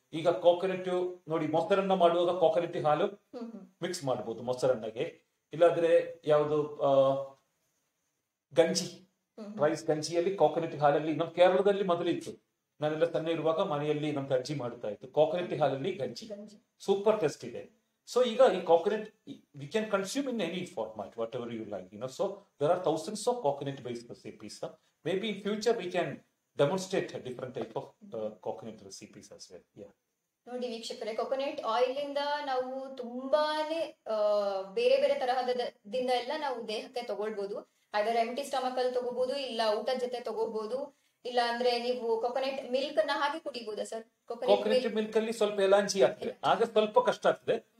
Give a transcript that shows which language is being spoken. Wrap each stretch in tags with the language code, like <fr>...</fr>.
<kn>ಈಗ ಕೋಕೋನಟ್ ನೋಡಿ, ಮೊಸರನ್ನ ಮಾಡುವಾಗ ಕೋಕೋನಟ್ ಹಾಲು ಮಿಕ್ಸ್ ಮಾಡಬಹುದು ಮೊಸರನ್ನಗೆ, ಇಲ್ಲಾದ್ರೆ ಯಾವುದು ಗಂಜಿ, ರೈಸ್ ಗಂಜಿಯಲ್ಲಿ ಕೋಕೋನಟ್ ಹಾಲಲ್ಲಿ. ನಮ್ ಕೇರಳದಲ್ಲಿ ಮೊದಲು ಇತ್ತು, ನಾನೆಲ್ಲ ತನ್ನೇ ಇರುವಾಗ ಮನೆಯಲ್ಲಿ ನಮ್ ಗಂಜಿ ಮಾಡ್ತಾ ಇತ್ತು, ಕೋಕೋನಟ್ ಹಾಲಲ್ಲಿ ಗಂಜಿ, ಸೂಪರ್ ಟೇಸ್ಟ್ ಇದೆ.</kn> <en>so</en> <kn>ಈಗ ಈ</kn> <en>Coconut we can consume in any format, whatever you like, you know. So there are 1000s of coconut based recipes. Maybe in future we can demonstrate a different type of coconut recipes as well. Yeah.</en> <kn>ನೋಡಿ ವೀಕ್ಷಕರೇ, coconut oil ಇಂದ ನಾವು ತುಂಬಾನೇ ಬೇರೆ ಬೇರೆ ತರಹದಿಂದ ಎಲ್ಲ ನಾವು ದೇಹಕ್ಕೆ ತಗೊಳ್ಬಹುದು.</kn> <en>either empty stomach</en> <kn>ಅಲ್ಲಿ ತಗೋಬಹುದು, ಇಲ್ಲ ಊಟದ ಜೊತೆ ತಗೋಬಹುದು, ಇಲ್ಲ ಅಂದ್ರೆ ನೀವು ಕೊಕೊನೆಟ್ ಮಿಲ್ಕ್ ನ ಹಾಗೆ ಕುಡಿಬಹುದಾ ಸರ್? ಕೊಕೊನೆಟ್ ಮಿಲ್ಕ್ ಅಲ್ಲಿ ಸ್ವಲ್ಪ ಎಲಾಂಚಿ ಆಗ್ತದೆ, ಆಗ ಸ್ವಲ್ಪ ಕಷ್ಟ ಆಗ್ತದೆ.</kn>